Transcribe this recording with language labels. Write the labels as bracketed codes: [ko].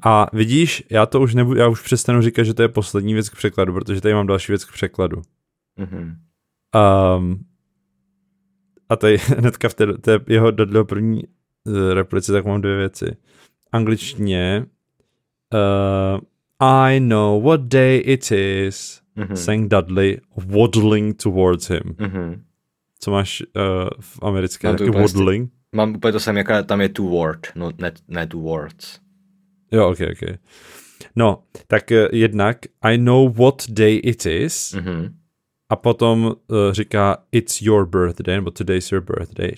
[cs] A vidíš, já už přestanu říkat, že to je poslední věc k překladu, protože tady mám další věc k překladu. Mhm. A tady hnedka v té jeho Dudleyho první replice, tak mám dvě věci. Angličtině [en] I know what day it is, mm-hmm. sang Dudley waddling towards him. [cs] Mm-hmm. Co máš v americké, mám taky waddling? Mám úplně to samé, jaká tam je toward, no, ne towards. Jo, ok. No, tak jednak [en] I know what day it is, mm-hmm. [cs] A potom říká [en] it's your birthday, [cs] nebo [en] today's your birthday.